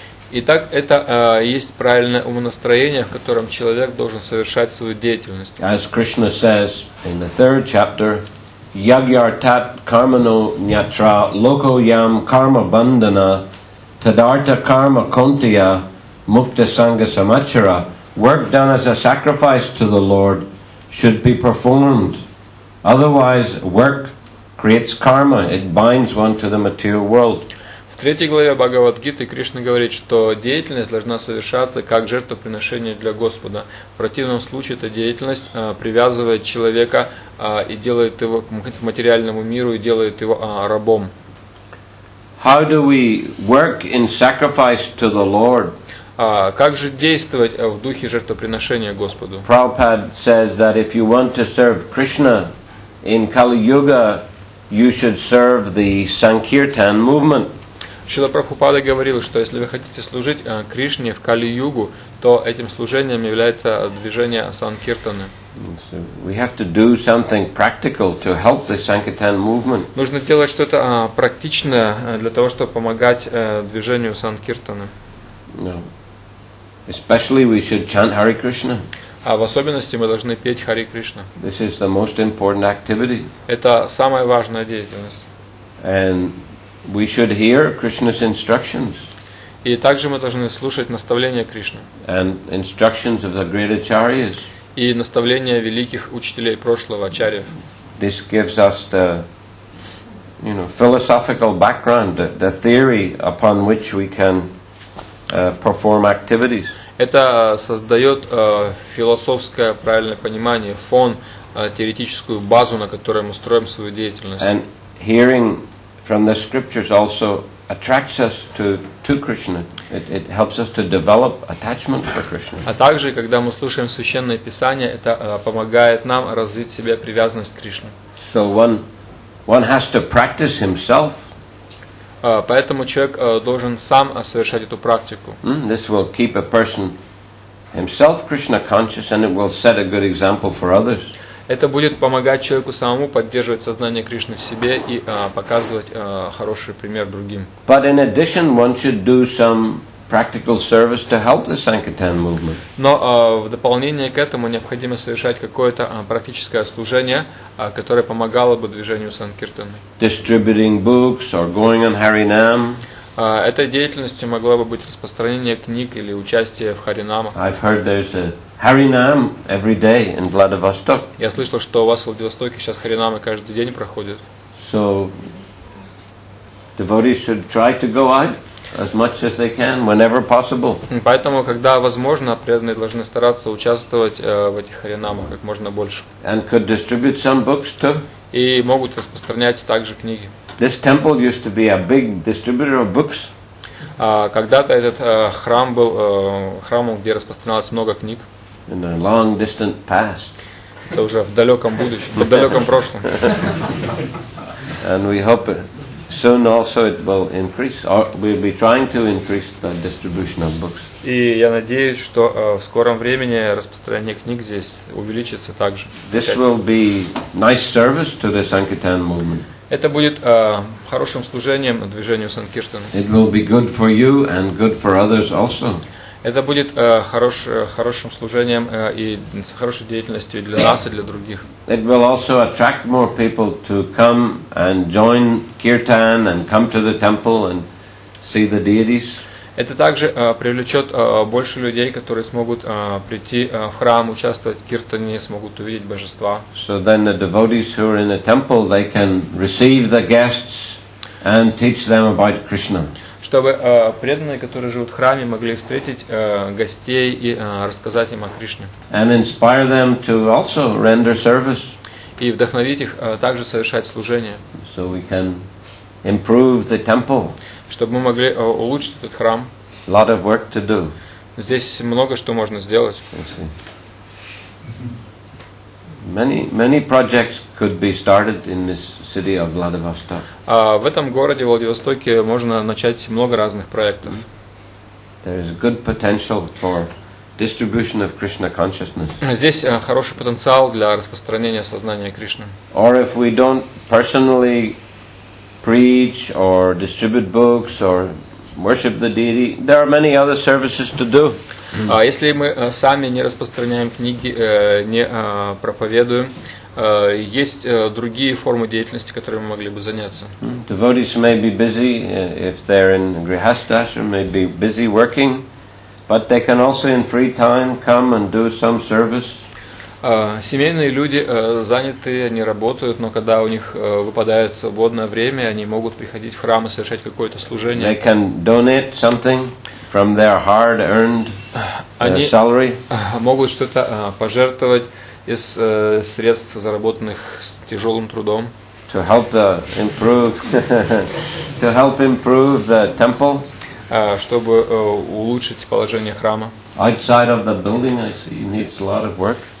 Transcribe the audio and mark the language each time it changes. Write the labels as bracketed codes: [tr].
[ru] Итак, это есть правильное умонастроение, в котором человек должен совершать свою деятельность. [en] As Krishna says in the third chapter, [sa] Yagyartat Karmano Nyatra Loko Yam Karma Bandana Tadarta Karma Kontiya Mukta Sangha Samachara, [en] work done as a sacrifice to the Lord should be performed. Otherwise, work creates karma, it binds one to the material world. [ru] В третьей главе Бхагавад-гиты Кришна говорит, что деятельность должна совершаться как жертвоприношение для Господа. В противном случае эта деятельность привязывает человека и делает его к материальному миру и делает его рабом. [en] How do we work in sacrifice to the Lord? [ru] Как же действовать в духе жертвоприношения Господу? [en] Prabhupada says that if you want to serve Krishna in Kali-yuga, you should serve the Sankirtan movement. [ru] Шрила Прабхупада говорил, что если вы хотите служить Кришне в Кали-югу, то этим служением является движение Санкиртаны. [en] We have to do something practical to help the Sankirtan movement. [ru] Нужно делать что-то практичное для того, чтобы помогать движению Санкиртаны. [en] Especially we should chant Hare Krishna. [ru] А в особенности мы должны петь Хари Кришна. [en] This is the most important activity. [ru] Это самая важная деятельность. [en] And we should hear Krishna's instructions. [ru] И также мы должны слушать наставления Кришны. [en] And instructions of the great acharyas. [ru] И наставления великих учителей прошлого, ачарьев. [en] This gives us the philosophical background, the theory upon which we can perform activities. [ru] Это создает философское правильное понимание, фон, теоретическую базу, на которой мы строим свою деятельность. [en] And hearing from the scriptures also attracts us to Krishna. It helps us to develop attachment for Krishna. [ru] А также, когда мы слушаем священное писание, это помогает нам развить в себе привязанность к Кришне. [en] So one has to practice himself. [ru] Поэтому человек должен сам совершать эту практику. [en] This will keep a person himself Krishna conscious, and it will set a good example for others. [ru] Это будет помогать человеку самому поддерживать сознание Кришны в себе и показывать хороший пример другим. [en] But in addition, one should do some practical service to help the Sankirtan movement. [ru] Но в дополнение к этому необходимо совершать какое-то практическое служение, которое помогало бы движению Санкиртаны. [en] Distributing books or going on Харинам. [ru] Этой деятельностью могло бы быть распространение книг или участие в Харинамах. [en] I've heard there's a Харинам every day in Vladivostok. [ru] Я слышал, что у вас в Владивостоке сейчас Харинамы каждый день проходят. [en] So devotees should try to go out as much as they can, whenever possible. [ru] Поэтому, когда возможно, преданные должны стараться участвовать в этих харинамах как можно больше. [en] And could distribute some books too. [ru] И могут распространять также книги. [en] This temple used to be a big distributor of books. [ru] Когда-то этот храм был храмом, где распространялось много книг. [en] In a long distant past. [ru] Это уже в далеком будущем, в далеком прошлом. [en] And we hope it. Soon also it will increase, or we'll be trying to increase the distribution of books. [ru] И я надеюсь, что в скором времени распространение книг здесь увеличится также. [en] This will be nice service to the Sankirtan movement. [ru] Это будет хорошим служением движению Санкиртан. [en] It will be good for you and good for others also. [ru] Это будет хорошим служением и хорошей деятельностью для нас и для других. [en] It will also attract more people to come and join Kirtan and come to the temple and see the deities. [ru] Это также привлечет больше людей, которые смогут прийти в храм, участвовать в киртане, смогут увидеть божества. [en] So then the devotees who are in the temple, they can receive the guests and teach them about Krishna. [ru] Чтобы преданные, которые живут в храме, могли встретить гостей и рассказать им о Кришне. [en] And inspire them to also render service. [ru] И вдохновить их также совершать служение. [en] So we can improve the temple. [ru] чтобы мы могли улучшить этот храм. [en] Lot of work to do. [ru] Здесь много что можно сделать. [en] Many projects could be started in this city of Vladivostok. [ru] А в этом городе Владивостоке можно начать много разных проектов. [en] There is good potential for distribution of Krishna consciousness. [ru] Здесь хороший потенциал для распространения сознания Кришны. [en] Or if we don't personally preach or distribute books or worship the deity, there are many other services to do. [ru] Если мы сами не распространяем книги, не проповедуем, есть другие формы деятельности, которыми мы могли бы заняться. [en] Devotees may be busy if they're in grihastha, or may be busy working, but they can also in free time come and do some service. [ru] Семейные люди заняты, они работают, но когда у них выпадает свободное время, они могут приходить в храм и совершать какое-то служение. [en] They can donate something from their hard-earned salary. [ru] Они могут что-то пожертвовать из средств, заработанных с тяжелым трудом. [en] To help improve the temple. [ru] Чтобы улучшить положение храма. [en] Outside of the building, I see, needs a lot of work.